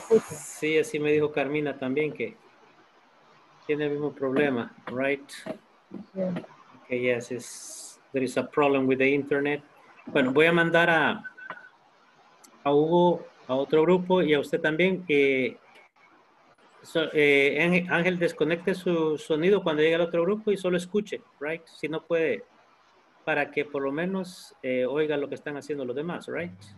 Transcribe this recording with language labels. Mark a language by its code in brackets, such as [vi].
[es] Sí, así me dijo Carmina también que tiene el mismo problema, right? [en] Okay, yes, there is a problem with the internet. [es] Bueno, voy a mandar a Hugo, a otro grupo y a usted también. Ángel, desconecte su sonido cuando llegue al otro grupo y solo escuche, right? Si no puede, para que por lo menos oiga lo que están haciendo los demás, right?